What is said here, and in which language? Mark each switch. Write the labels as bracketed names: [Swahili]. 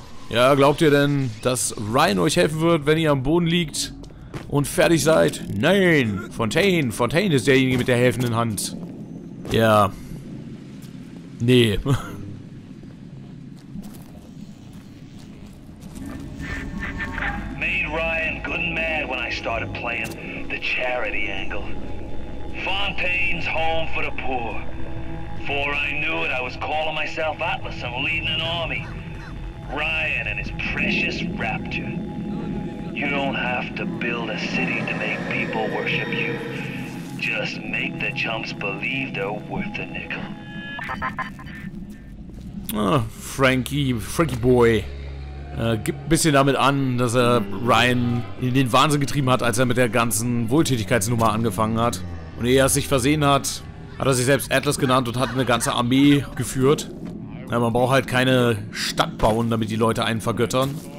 [German] Ja, glaubt ihr denn, dass Ryan euch helfen wird, wenn ihr am Boden liegt und fertig seid? Nein, Fontaine ist derjenige mit der helfenden Hand. Ja. Nee. [English] Made Ryan good and mad when I started playing the charity angle. Fontaine's home for the poor. Before I knew it, I was calling myself Atlas and leading an army. Ryan and his precious raptor. You don't have to build a city to make people worship you. Just make the chumps believe they're worth a nickel. Oh, Frankie Boy. [German] Gibt ein bisschen damit an, dass er Ryan in den Wahnsinn getrieben hat, als er mit der ganzen Wohltätigkeitsnummer angefangen hat. Und ehe er es sich versehen hat, hat er sich selbst Atlas genannt und hat eine ganze Armee geführt. Ja, man braucht halt keine Stadt bauen, damit die Leute einen vergöttern.